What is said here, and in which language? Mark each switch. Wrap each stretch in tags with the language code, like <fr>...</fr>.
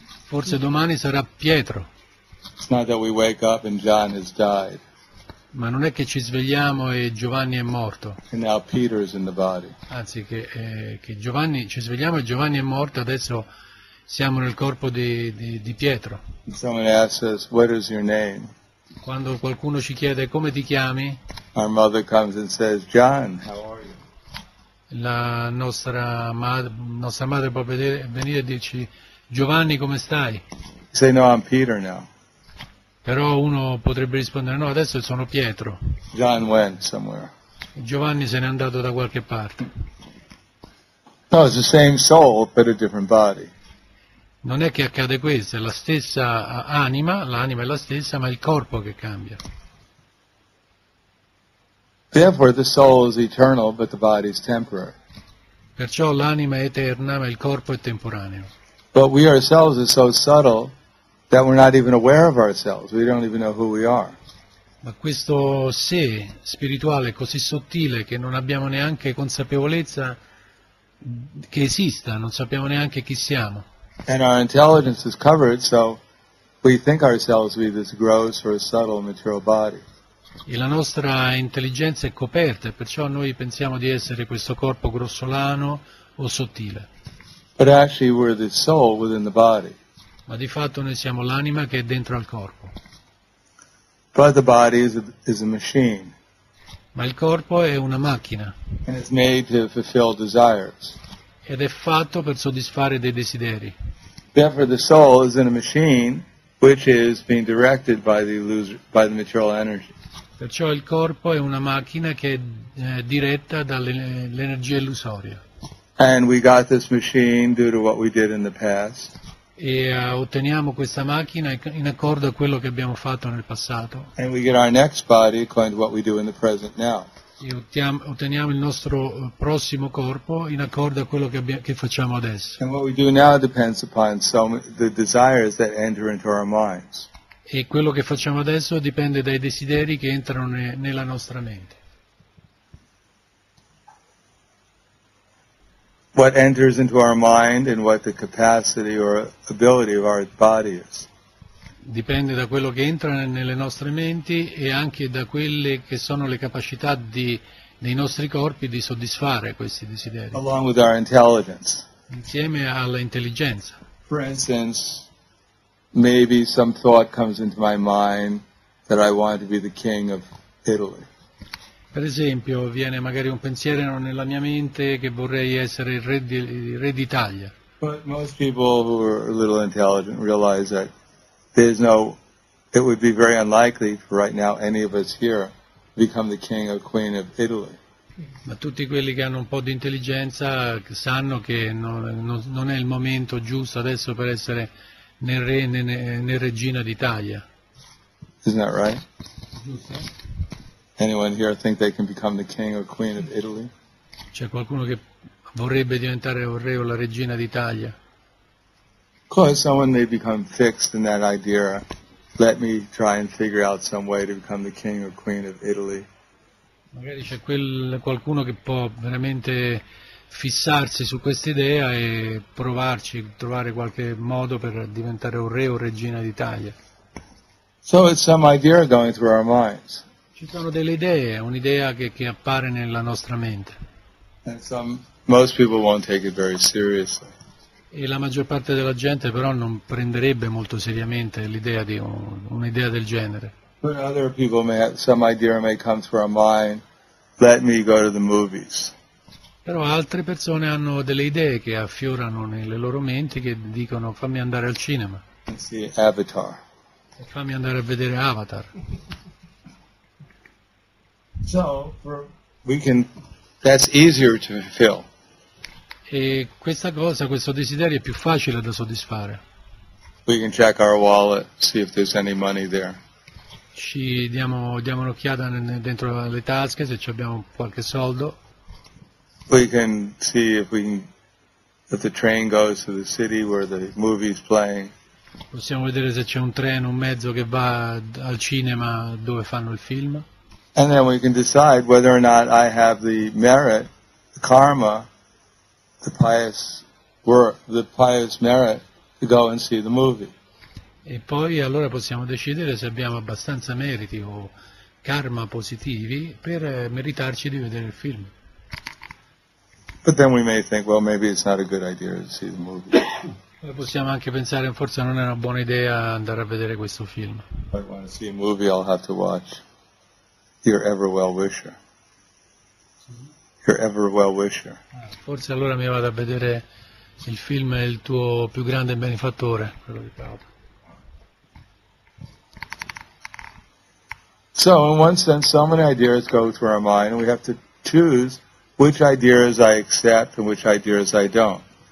<it>Forse domani sarà Pietro.</it> <en>It's not that we wake up and John has died.</en> <it>Ma non è che ci svegliamo e Giovanni è morto.</it> <en>And now Peter is in the body.</en> <it>Anzi, che Giovanni ci svegliamo e Giovanni è morto, adesso siamo nel corpo di Pietro.</it> <en>And someone asks us, what is your name?</en> <it>Quando qualcuno ci chiede come ti chiami,</it> <en>our mother comes and says, John, how are you?</en> <it>La nostra madre può venire e dirci, Giovanni, come stai?</it> <en>Say, no, I'm Peter now.</en> <it>Però uno potrebbe rispondere, no, adesso sono Pietro.</it> <en>John went somewhere.</en> <it>Giovanni se n'è andato da qualche parte.</it> <en>No, it's the same soul, but a different body.</en> <it>Non è che accade questo, è la stessa anima, l'anima è la stessa, ma è il corpo che cambia.</it> <en>Therefore the soul is eternal, but the body is temporary.</en> <it>Perciò l'anima è eterna, ma il corpo è temporaneo.</it> <en>But we ourselves are so subtle that we're not even aware of ourselves. We don't even know who we are.</en> <it>Ma questo sé spirituale è così sottile che non abbiamo neanche consapevolezza che esista, non sappiamo neanche chi siamo.</it> <en>And our intelligence is covered, so we think ourselves to be this gross or subtle material body.</en> <it>E la nostra intelligenza è coperta, perciò noi pensiamo di essere questo corpo grossolano o sottile.</it> <en>But actually we're the soul within the body.</en> <it>Ma di fatto noi siamo l'anima che è dentro al corpo.</it> <en>But the body is a machine.</en> <it>Ma il corpo è una macchina.</it> <en>And it's made to fulfill desires.</en> <it>Ed è fatto per soddisfare dei desideri.</it> <en>Therefore, the soul is in a machine which is being directed by the illusory, by the material energy.</en> <it>Perciò il corpo è una macchina che è diretta dall'energia illusoria.</it> <en>And we got this machine due to what we did in the past.</en> <it>E otteniamo questa macchina in accordo a quello che abbiamo fatto nel passato.</it> <en>And we get our next body according to what we do in the present now.</en> <it>E otteniamo il nostro prossimo corpo in accordo a quello che facciamo adesso.</it> <en>And what we do now depends upon some the desires that enter into our minds.</en> <it>E quello che facciamo adesso dipende dai desideri che entrano nella nostra mente.</it> <en>What enters into our mind and what the capacity or ability of our body is.</en> <it>Dipende da quello che entra nelle nostre menti e anche da quelle che sono le capacità dei nostri corpi di soddisfare questi desideri.</it> <en>Along with our intelligence.</en> <it>Insieme alla intelligenza.</it> <en>For instance, maybe some thought comes into my mind that I want to be the king of Italy.</en> <it>Per esempio, viene magari un pensiero nella mia mente che vorrei essere il re d'Italia.</it> <en>But most people who are a little intelligent realize that there's no, it would be very unlikely for right now any of us here to become the king or queen of Italy.</en> <it>Ma tutti quelli che hanno un po' di intelligenza sanno che non è il momento giusto adesso per essere nel re né regina d'Italia.</it> <en>Isn't that right? Anyone here think they can become the king or queen of Italy?</en> <it>C'è qualcuno che vorrebbe diventare il re o la regina d'Italia?</it> <en>Of course, someone may become fixed in that idea. Let me try and figure out some way to become the king or queen of Italy.</en> <it>Magari c'è qualcuno che può veramente fissarsi su questa idea e provarci, trovare qualche modo per diventare un re o regina d'Italia.</it> <en>So it's some idea going through our minds.</en> <it>Ci sono delle idee, un'idea che appare nella nostra mente.</it> <en>Most people won't take it very seriously.</en> <it>E la maggior parte della gente però non prenderebbe molto seriamente l'idea di un'idea del genere.</it> <en>But other people may have, some idea may come through our mind, let me go to the movies.</en> <it>Però altre persone hanno delle idee che affiorano nelle loro menti che dicono fammi andare al cinema.</it> <en>And see Avatar.</en> <it>E fammi andare a vedere Avatar.</it> <en>So we can. That's easier to fulfill.</en> <it>E questa cosa, questo desiderio è più facile da soddisfare.</it> <en>We can check our wallet, see if there's any money there.</en> <it>Ci diamo un'occhiata dentro le tasche se ci abbiamo qualche soldo.</it> <en>We can see if the train goes to the city where the movie's playing.</en> <it>Possiamo vedere se c'è un treno, un mezzo che va al cinema dove fanno il film.</it> <en>And then we can decide whether or not I have the merit, the karma, the pious work, the pious merit to go and see the movie.</en> <it>E poi allora possiamo decidere se abbiamo abbastanza meriti o karma positivi per meritarci di vedere il film.</it> <en>But then we may think, well, maybe it's not a good idea to see the movie.</en> <it>Possiamo anche pensare, forse non è una buona idea andare a vedere questo film.</it> <en>If I want to see a movie, I'll have to watch Your Ever Well Wisher. Your Ever Well Wisher.</en> <it>Forse allora mi vado a vedere il film Il tuo più grande benefattore, quello di Prabhupada.</it> <en>So, in one sense, so many ideas go through our mind, and we have to choose which ideas I accept and which ideas I don't.</en>